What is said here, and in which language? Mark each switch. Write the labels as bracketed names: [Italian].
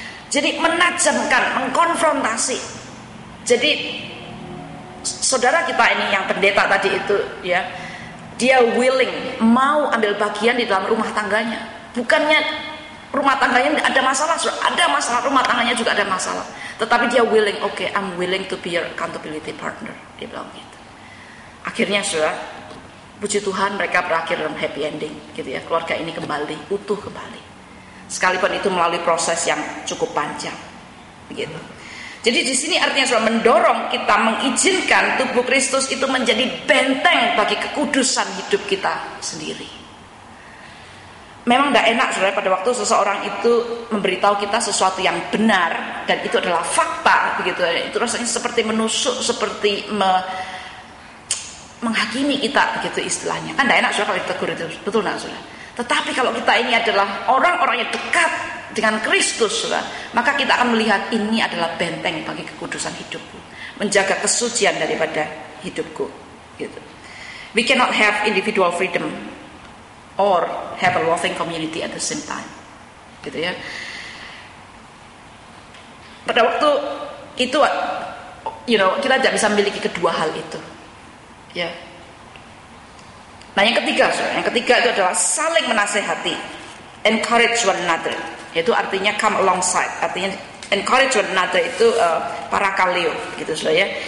[Indonesian] Jadi menajamkan, mengkonfrontasi. Jadi saudara kita ini yang pendeta tadi itu, ya, dia willing mau ambil bagian di dalam rumah tangganya. Bukannya rumah tangganya ada masalah, ada masalah rumah tangganya juga ada masalah. Tetapi dia willing, [English] "Okay, I'm willing to be your accountability partner." [Indonesian] Dia bilang gitu. Akhirnya saudara, puji Tuhan, mereka berakhir dalam happy ending, gitu ya. Keluarga ini kembali utuh kembali, sekalipun itu melalui proses yang cukup panjang, begitu. Jadi di sini artinya sudah mendorong kita mengizinkan tubuh Kristus itu menjadi benteng bagi kekudusan hidup kita sendiri. Memang tidak enak sudah pada waktu seseorang itu memberitahu kita sesuatu yang benar dan itu adalah fakta, begitu. Itu rasanya seperti menusuk, seperti menghakimi kita, begitu istilahnya. Kan tidak enak sudah kalau ditegur itu, betul nggak sudah? Tetapi kalau kita ini adalah orang-orang yang dekat dengan Kristus sudah, maka kita akan melihat ini adalah benteng bagi kekudusan hidupku, menjaga kesucian daripada hidupku. Gitu. [English] We cannot have individual freedom or have a loving community at the same time. [Indonesian] Gitu ya. Pada waktu itu, [English] you know, [Indonesian] kita tidak bisa memiliki kedua hal itu. Ya. Nah, yang ketiga, yang ketiga itu adalah saling menasehati, [English] encourage one another. [Indonesian] Itu artinya [English] come alongside. [Indonesian] Artinya [English] encourage one another [Indonesian] itu parakaleo, gitu loh ya.